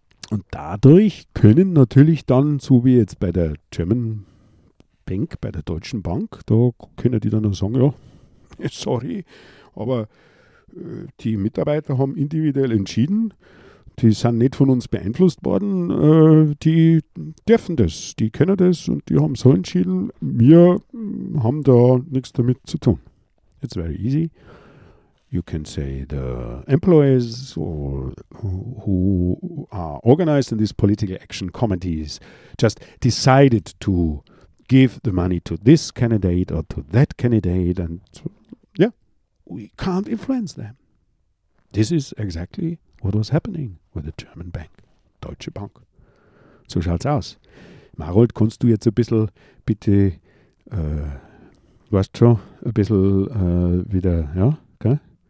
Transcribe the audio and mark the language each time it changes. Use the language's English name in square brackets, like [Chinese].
[German] Und dadurch können natürlich dann, so wie jetzt bei der German Bank, bei der Deutschen Bank, da können die dann noch sagen, ja, sorry, aber die Mitarbeiter haben individuell entschieden, die sind nicht von uns beeinflusst worden, die dürfen das, die kennen das und die haben so entschieden, wir haben da nichts damit zu tun. [English] It's very easy. You can say the employees or who are organized in these political action committees just decided to give the money to this candidate or to that candidate, and yeah, we can't influence them. This is exactly what was happening with the German bank, Deutsche Bank. [German] So schaut's aus. Marold, kannst du jetzt ein bisschen, bitte, weißt du schon, ein bisschen wieder, ja, gell?